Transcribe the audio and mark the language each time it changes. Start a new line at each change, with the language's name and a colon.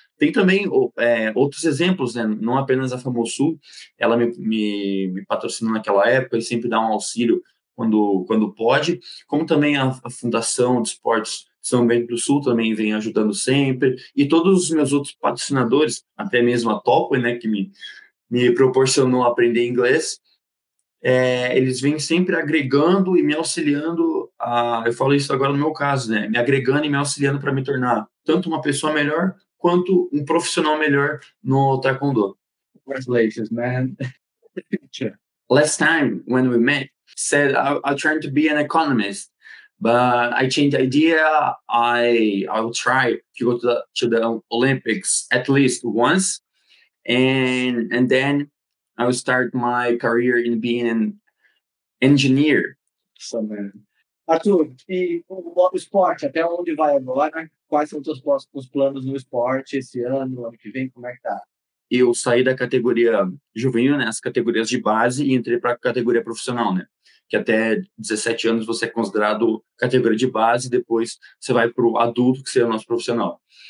Portuguese: Tem também outros exemplos, né? Não apenas a Famosu, ela me patrocinou naquela época e sempre dá um auxílio quando pode, como também a Fundação de Esportes São Bento do Sul também vem ajudando sempre, e todos os meus outros patrocinadores, até mesmo a Topway, né, que me proporcionou aprender inglês, eles vêm sempre agregando e me auxiliando, eu falo isso agora no meu caso, né, me agregando e me auxiliando para me tornar tanto uma pessoa melhor quanto um profissional melhor no taekwondo.
English: Congratulations, man. Last time when we met, said I'm trying to be an economist, but I changed the idea. I'll try to go to the Olympics at least once, and then I will start my career in being an engineer. So, man.
Portuguese: Arthur, e o esporte, até onde vai agora? Quais são os seus planos no esporte esse ano, ano que vem, como é que tá? Eu saí da categoria juvenil, né, as categorias de base, e entrei para a categoria profissional, né, que até 17 anos você é considerado categoria de base, depois você vai para o adulto, que seria o nosso profissional.